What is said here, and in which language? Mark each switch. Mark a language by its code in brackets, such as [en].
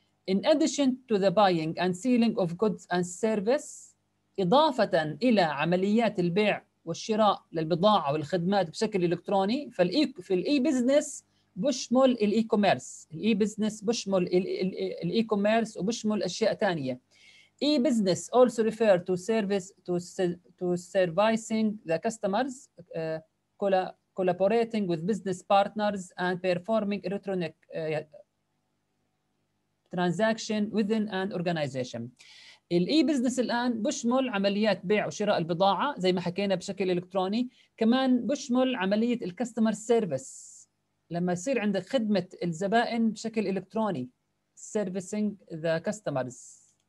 [en] In addition to the buying and selling of goods and service، [ar] إضافة إلى عمليات البيع والشراء للبضاعة والخدمات بشكل إلكتروني، فالإي في الإي بزنس بشمل الإي كوميرس. الإي بزنس بشمل الإي كوميرس وبشمل أشياء تانية. [en] E business also refer to service to servicing the customers, collaborating with business partners and performing electronic transaction within an organization. [ar] E business الآن بشمل عمليات بيع وشراء البضاعة زي ما حكينا بشكل إلكتروني، كمان بشمل عملية ال customer service لما يصير عندك خدمة الزبائن بشكل إلكتروني، [en] servicing the customers.